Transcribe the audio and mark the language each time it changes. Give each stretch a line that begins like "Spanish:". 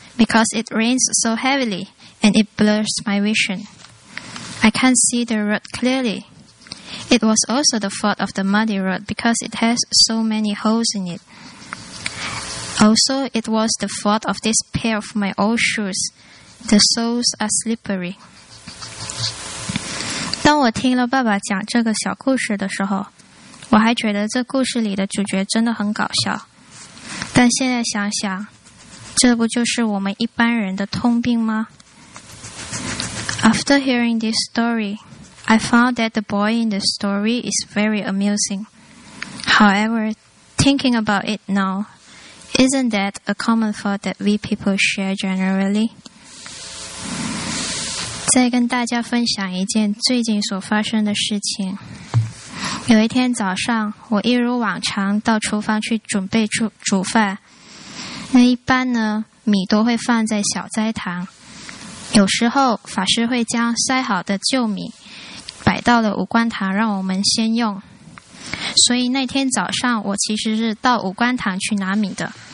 English: Because it rains so heavily and it blurs my vision. I can't see the road clearly. It was also the fault of the muddy road because it has so many holes in it. Also, it was the fault of this pair of my old shoes. The soles are slippery."
Chinese: 当我听了爸爸讲这个小故事的时候，我还觉得这故事里的主角真的很搞笑。但现在想想，这不就是我们一般人的通病吗？
English: After hearing this story, I found that the boy in the story is very amusing. However, thinking about it now, isn't that a common thought that we people share generally?
Chinese: 再跟大家分享一件最近所发生的事情。有一天早上，我一如往常到厨房去准备 煮饭。那一般呢，米都会放在小斋堂。有时候法师会将筛好的旧米摆到了五官堂让我们先用，所以那天早上我其实是到五官堂去拿米的。